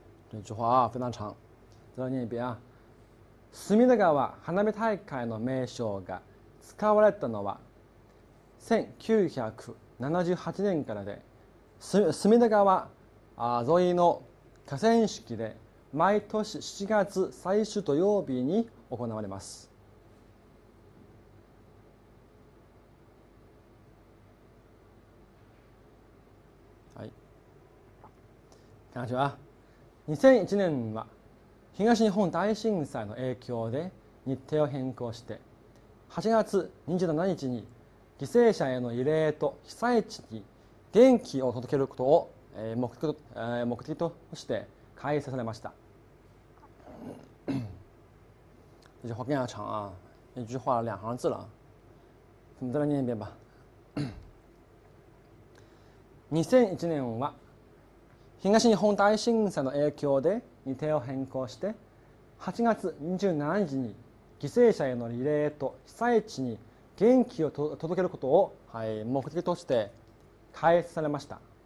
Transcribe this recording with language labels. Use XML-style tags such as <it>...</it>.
<zh>这句话啊非常长，再来念一遍啊。</zh> <ja>隅田川花火大会の名称が使われたのは1978年からで、隅田川沿いの河川敷で毎年7月最終土曜日に行われます。はい、こんにちは。2001年は東日本大震災の影響で日程を変更して8月27日に犠牲者への慰霊と被災地に元気を届けることを目的として開催されました。</ja> <zh>这句话更加长啊，一句话两行字了。我们再来念一遍吧。</zh> <ja>2001年は東日本大震災の影響で日程を変更して、8月27日に犠牲者への慰霊と被災地に元気を届けることを、目的として開催されました。</ja>